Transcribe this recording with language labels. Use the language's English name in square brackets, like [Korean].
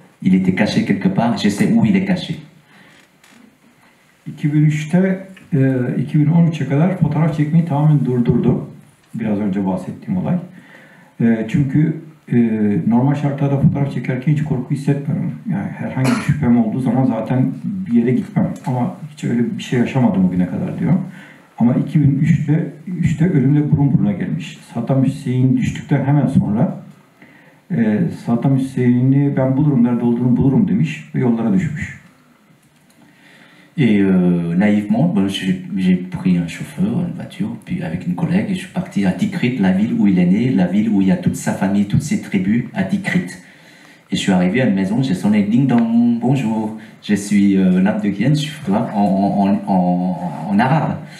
[French] Il était caché quelque part, je sais où il est caché. [Turkish] 2003'te 2013'e kadar fotoğraf çekmeyi tamamen durdurdu. Biraz önce bahsettiğim olay. Çünkü normal şartlarda fotoğraf çekerken hiç korku hissetmiyorum. Yani herhangi bir şüphem olduğu zaman zaten bir yere gitmem. Ama hiç öyle bir şey yaşamadım bugüne kadar diyor. Ama 2003'te ölümle burun buruna gelmiş. Saddam Hüseyin düştükten hemen sonra Saddam Hüseyin'i ben bulurum, nerede olduğunu bulurum demiş ve yollara düşmüş. [French] Et naïvement, bon, j'ai pris un chauffeur, une voiture, puis avec une collègue, et je suis parti à Tikrit, la ville où il est né, la ville où il y a toute sa famille, toutes ses tribus, à Tikrit. Et je suis arrivé à une maison, j'ai sonné ding dong, bonjour, je suis Nabdekien, je suis photographe en arabe.